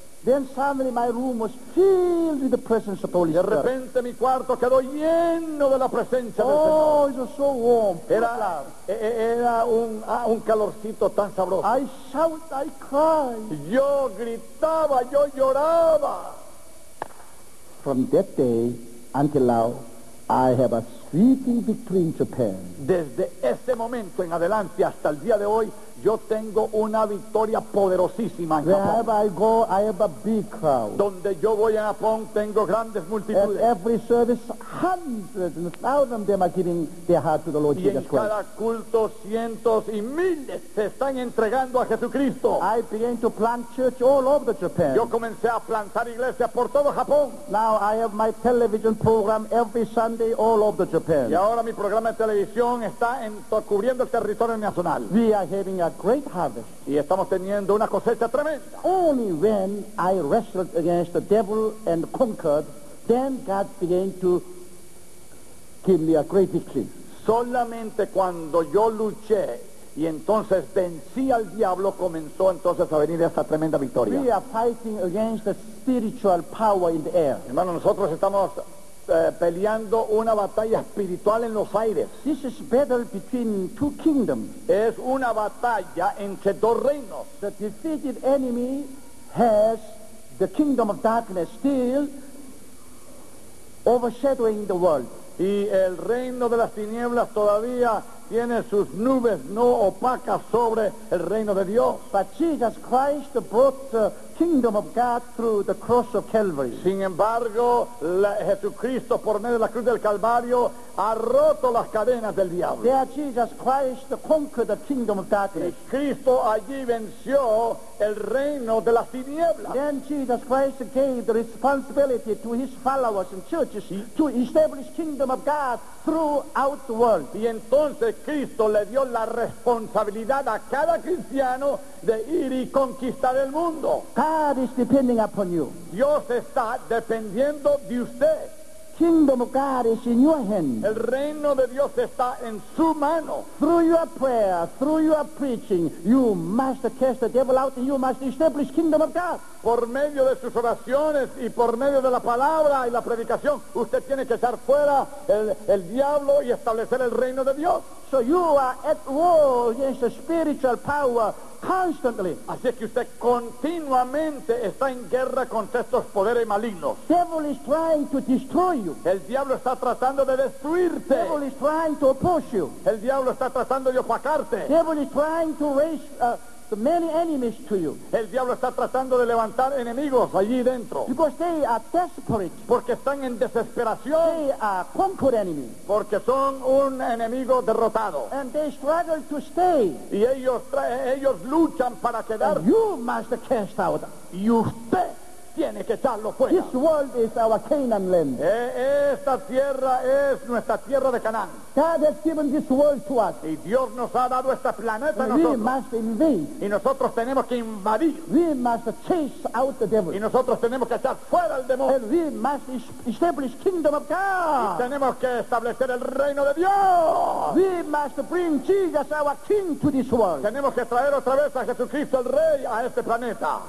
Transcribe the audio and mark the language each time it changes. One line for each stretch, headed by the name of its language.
English: Then suddenly my room was filled with the presence of the Holy Spirit.
Spanish: De repente mi cuarto quedó lleno de la presencia del oh, Señor.
English: Oh, it was so warm.
Spanish: Era un calorcito tan sabroso.
English: I shout, I cry.
Spanish: Yo gritaba, yo lloraba.
English: From that day until now, I have a sweeping victory in Japan.
Spanish: Desde ese momento en adelante hasta el día de hoy, yo tengo una victoria poderosísima en Japón.
English: Wherever I go, I have a big crowd.
Spanish: Donde yo voy a Japón, tengo grandes multitudes.
English: At every service, hundreds and thousands of them are giving their heart to the Lord
Spanish: y
English: Jesus Christ.
Spanish: Y en cada culto, cientos y miles se están entregando a Jesucristo.
English: I began to plant church all over the Japan.
Spanish: Yo comencé a plantar iglesias por todo Japón.
English: Now I have my television program every Sunday all over the Japan.
Spanish: Y ahora mi programa de televisión está cubriendo el territorio nacional.
English: We are having a great harvest.
Spanish: Y estamos teniendo una cosecha tremenda.
English: Only when I wrestled against the devil and conquered, then God began to give me a great victory.
Spanish: Solamente cuando yo luché y entonces vencí al diablo, comenzó entonces a venir esta tremenda victoria.
English: We are fighting against the spiritual power in the air.
Spanish: Hermano, nosotros estamos peleando una batalla espiritual en los aires.
English: This is battle between two kingdoms.
Spanish: Es una batalla entre dos reinos.
English: The defeated enemy has the kingdom of darkness still overshadowing the world.
Spanish: Y el reino de las tinieblas todavía tiene sus nubes no opacas sobre el reino de Dios.
English: But Jesus Christ brought the kingdom of God through the cross of Calvary.
Spanish: Sin embargo, Jesucristo por medio de la cruz del Calvario ha roto las cadenas del diablo.
English: There Jesus Christ conquered the kingdom of darkness.
Spanish: Y Cristo allí venció el reino de las tinieblas.
English: Then Jesus Christ gave the responsibility to his followers and churches to establish kingdom of God throughout the world.
Spanish: Y entonces Cristo le dio la responsabilidad a cada cristiano de ir y conquistar el mundo.
English: God is depending upon you.
Spanish: Dios está dependiendo de usted.
English: Kingdom of God is in your hand.
Spanish: El reino de Dios está en su mano.
English: Through your prayer, through your preaching, you must cast the devil out and you must establish kingdom of God.
Spanish: Por medio de sus oraciones y por medio de la palabra y la predicación, usted tiene que echar fuera el diablo y establecer el reino de Dios.
English: So you are at war against the spiritual power constantly.
Spanish: Así es que usted continuamente está en guerra contra estos poderes malignos.
English: Devil is trying to destroy you.
Spanish: El diablo está tratando de destruirte.
English: Devil is trying to oppose you.
Spanish: El diablo está tratando de opacarte.
English: Devil is trying to raise many enemies to you.
Spanish: El diablo está tratando de levantar enemigos allí dentro.
English: Because they are desperate.
Spanish: Porque están en desesperación.
English: They are conquered enemies.
Spanish: Porque son un enemigo derrotado.
English: And they struggle to stay.
Spanish: Y ellos luchan para quedar.
English: And you must cast out.
Spanish: Y usted tiene que echarlo fuera.
English: This world is our Canaan land.
Spanish: Esta tierra es nuestra tierra de Canaán.
English: God has given this world to us.
Spanish: Y Dios nos ha dado este planeta a nosotros.
English: We must invade.
Spanish: Y nosotros tenemos que invadir.
English: We must chase out the devil.
Spanish: Y nosotros tenemos que echar fuera al demonio.
English: And we must establish kingdom of God.
Spanish: Y tenemos que establecer el reino de Dios.
English: We must bring Jesus our king to this world.
Spanish: Tenemos que traer otra vez a Jesucristo el rey a este planeta.